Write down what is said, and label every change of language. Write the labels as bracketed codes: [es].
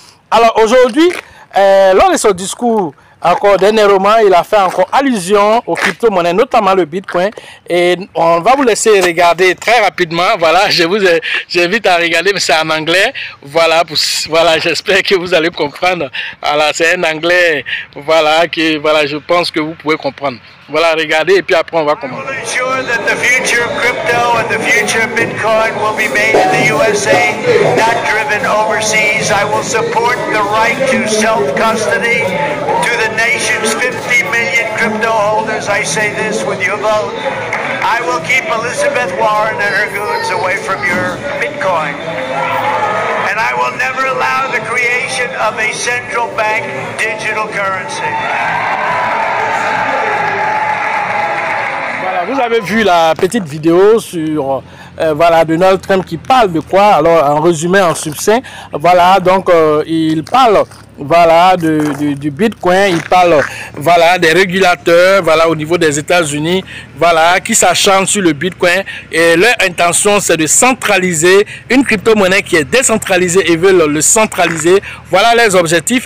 [fr] Alors aujourd'hui, lors de son discours, encore dernièrement, il a fait encore allusion aux crypto-monnaies, notamment le Bitcoin. Et on va vous laisser regarder très rapidement. Voilà, j'invite à regarder, mais c'est en anglais. Voilà, j'espère que vous allez comprendre. Voilà, c'est un anglais. Voilà, je pense que vous pouvez comprendre. Voilà, regardez et puis après on va commencer. [en] I will ensure that the future of crypto and the future of Bitcoin will be made in the USA, not driven overseas. I will support the right to self-custody to the nation's 50 million crypto holders. I say this with your vote. I will keep Elizabeth Warren and her goons away from your Bitcoin. And I will never allow the creation of a central bank digital currency. [fr] Vous avez vu la petite vidéo sur Donald Trump qui parle de quoi? Alors, en résumé, en succinct, voilà, donc il parle du Bitcoin, il parle des régulateurs au niveau des États-Unis qui s'acharnent sur le Bitcoin et leur intention c'est de centraliser une crypto-monnaie qui est décentralisée et veulent le centraliser. Voilà les objectifs.